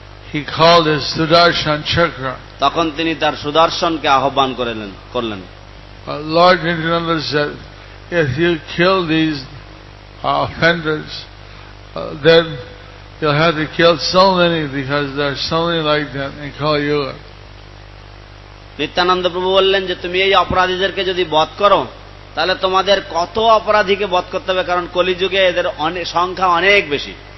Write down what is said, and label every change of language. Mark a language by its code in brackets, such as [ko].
[en] He called his Sudarshan Chakra. [bn] তখন তিনি তার সুদর্শনকে আহ্বান করলেন করলেন। [en] Lord Nityananda said, if you kill these offenders, then you'll have to kill so many because there are so many like them in Kali Yuga. [bn] Nityananda Prabhu বললেন যে তুমি এই অপরাধীদেরকে যদি বধ করো তাহলে তোমাদের কত অপরাধীকে বধ করতে হবে, কারণ কলিযুগে এদের সংখ্যা অনেক বেশি।